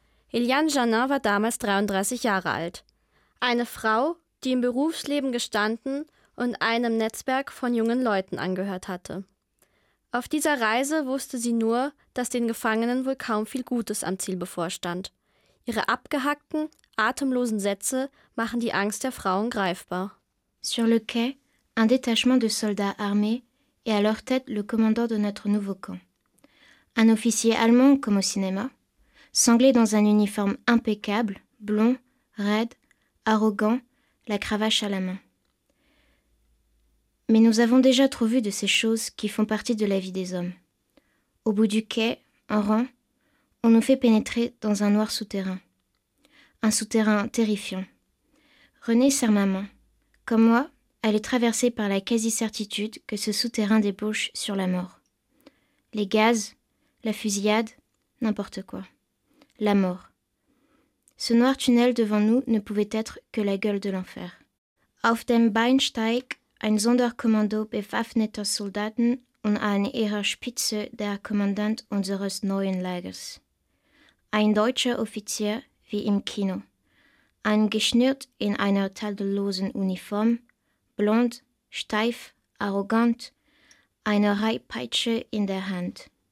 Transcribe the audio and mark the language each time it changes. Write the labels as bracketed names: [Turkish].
[German] Eliane Chanangaro war damals 33 Jahre alt. Eine Frau, die im Berufsleben gestanden und einem Netzwerk von jungen Leuten angehört hatte. Auf dieser Reise wusste sie nur, dass den Gefangenen wohl kaum viel Gutes am Ziel bevorstand. Ihre abgehackten, atemlosen Sätze machen die Angst der Frauen greifbar. [French] Sur le quai, un détachement de soldats armés et à leur tête le commandant de notre nouveau camp. Un officier allemand comme au cinéma, sanglé dans un uniforme impeccable, blond, raide, arrogant, la cravache à la main. Mais nous avons déjà trop vu de ces choses qui font partie de la vie des hommes. Au bout du quai, en rang, on nous fait pénétrer dans un noir souterrain. Un souterrain terrifiant. René serre ma main. Comme moi, elle est traversée par la quasi-certitude que ce souterrain débouche sur la mort. Les gaz, la fusillade, n'importe quoi. La mort. Ce noir tunnel devant nous ne pouvait être que la gueule de l'enfer. [German] Auf dem Bahnsteig, ein Sonderkommando bewaffneter Soldaten und an ihrer Spitze der Kommandant unseres neuen Lagers. Ein deutscher Offizier wie im Kino. Angeschnürt in einer tadellosen Uniform, blond, steif, arrogant, eine Reihpeitsche in der Hand.